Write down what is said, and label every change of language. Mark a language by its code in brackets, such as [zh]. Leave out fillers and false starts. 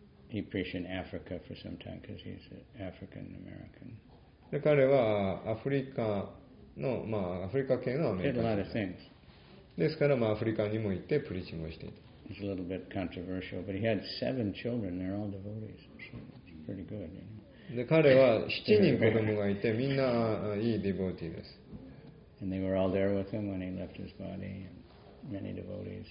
[en] He preached in Africa for some time because he's African American. [ja] で彼はアフリカのまあアフリカ系のアメリカ人。 [en] He did a lot of things. [ja] ですからまあアフリカにも行ってプリチもしていた。 [en] It's a little bit controversial, but he had seven children. They're all devotees, so it's pretty good. You know? [ja] で彼は7人子供がいて、みんないいディボーティーです。 [en] And they were all there with him when he left his body, and many devotees.